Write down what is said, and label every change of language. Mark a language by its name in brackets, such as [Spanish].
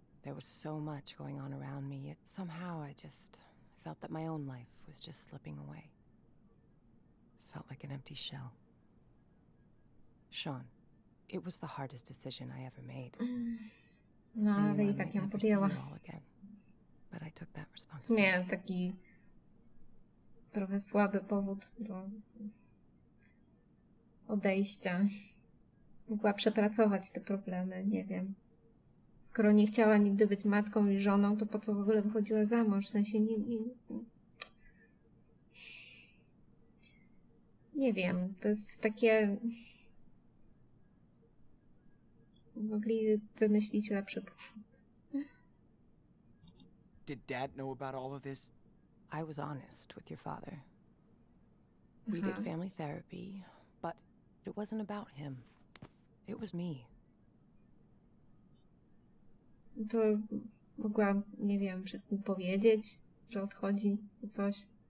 [English] There was so much going on around me, yet somehow I just felt that my own life was just slipping away. Felt like an empty shell. Sean, it was the hardest decision I ever made. [Polish] No, ale i tak ją podjęła. [English] But I took that responsibility. [Polish] Miałem taki trochę słaby powód do odejścia. Mogła przepracować te problemy, nie wiem. Skoro nie chciała nigdy być matką i żoną, to po co w ogóle wychodziła za mąż? W sensie nie wiem, to jest takie... Mogli wymyślić lepszy powód. [English] Did Dad know about all of this? I was honest with your father. We did family therapy, but it wasn't about him. It was me. [Polish] To mogłam, nie wiem, wszystkim powiedzieć, że odchodzi i coś.